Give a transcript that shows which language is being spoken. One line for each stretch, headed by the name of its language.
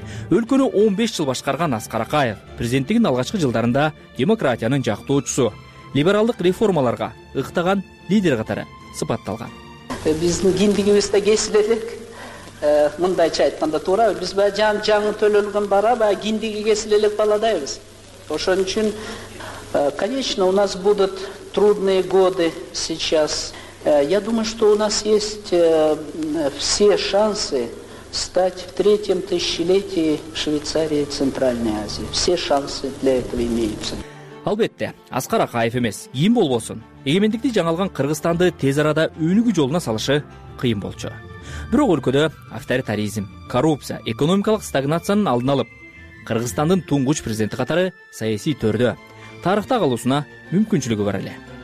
Kyrgyz: Өлкөнү 15 жыл башкарган Аскар Акаев президенттигин алгачкы жылдарында демократиянын жактоочусу, либералдык реформаларга ыктаган лидер катары сыпатталган. Биздин кимдигибизде кесип элек. Мындайча айтканда туурабы, биз баягы жаңы төлөлгөн бара, баягы кимдиги кесип элек баладайбыз. Ошон үчүн,
Russian: конечно, у нас будут трудные годы сейчас. Я думаю, что у нас есть все шансы стать в третьем тысячелетии Швейцарии и Центральной Азии. Все шансы для этого имеются.
Kyrgyz: Албетте, Аскар Акаев эмес, ким болбосун, эгемендикти жаңалган Кыргызстанды тез арада өнүгүү жолуна салышы кыйын болчу. Бирок өлкөдө авторитаризм, коррупция, экономикалык стагнациянын алдын алып, Кыргызстандын туңгуч президенти катары саясий төрдө тарыхта калуусуна мүмкүнчүлүгү бар эле.